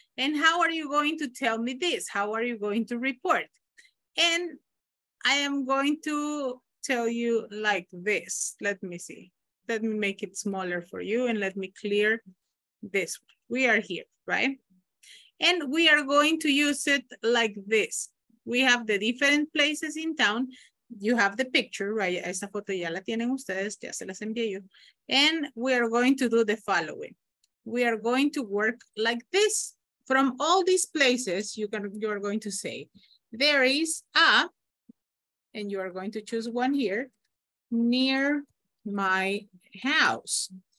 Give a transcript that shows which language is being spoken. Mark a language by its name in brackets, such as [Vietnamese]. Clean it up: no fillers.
[English] And how are you going to tell me this? How are you going to report? And I am going to tell you like this. Let me see. Let me make it smaller for you and let me clear this. We are here, right? And we are going to use it like this. We have the different places in town. You have the picture, right? [Spanish] Esa foto ya la tienen ustedes, ya se las envié yo. [English] And we are going to do the following. We are going to work like this. From all these places, you are going to say, there is a, and you are going to choose one here, near my house.